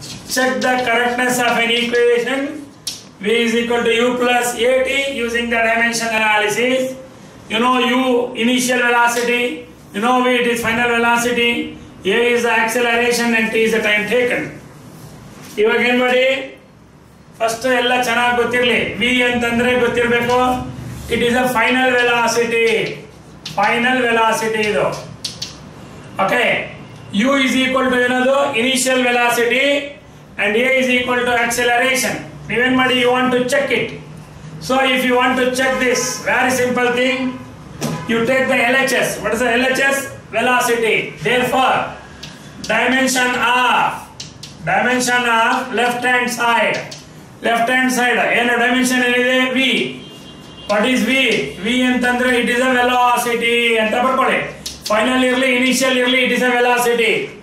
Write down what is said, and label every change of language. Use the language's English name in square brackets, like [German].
[English] check the correctness of an equation v is equal to u plus at using the dimension analysis. You know u initial velocity, you know v it is final velocity, a is the acceleration and t is the time taken. [Kannada] ಇವಾಗ ಏನ್ ಮಾಡಿ, first ಎಲ್ಲ ಚೆನ್ನಾಗಿ ಗೊತ್ತಿರಲಿ. [English] v [Kannada] ಅಂತಂದ್ರೆ ಗೊತ್ತಿರಬೇಕು, [English] It is a final velocity, final velocity ಇದು. Okay, u is equal to [Kannada] ಏನದು [English] Initial velocity and a is equal to acceleration. [Kannada] ನೀವೇನ್ ಮಾಡಿ, [English] You want to check it. So if you want to check this, very simple thing, you take the L H S. What is the L H S? Velocity. Therefore dimension of dimension of left hand side, left hand side [Kannada] ena dimension enide [English] v. What is v? [Kannada] V antandre [English] it is a velocity [Kannada] anta barkole, final irli initial irli it is a velocity.